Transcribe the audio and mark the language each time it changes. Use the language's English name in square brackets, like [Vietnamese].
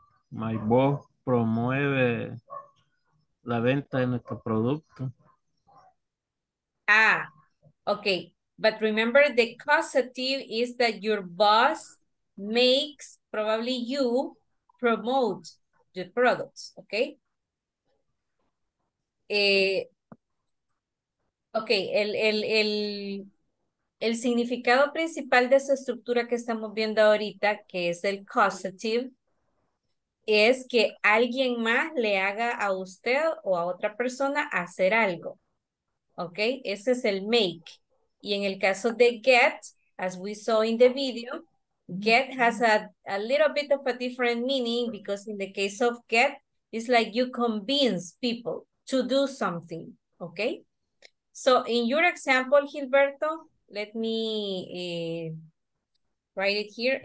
[Spanish] My boss promueve la venta de nuestro producto. Ah, okay. [English] But remember, the causative is that your boss makes probably you promote the products, okay? [Spanish] Okay, el significado principal de esa estructura que estamos viendo ahorita, que es el causative, es que alguien más le haga a usted o a otra persona hacer algo. ¿Ok? Ese es el make. [English] Y en el caso de get, as we saw in the video, get has a little bit of a different meaning because in the case of get, it's like you convince people to do something. ¿Ok? So in your example, Gilberto, let me write it here.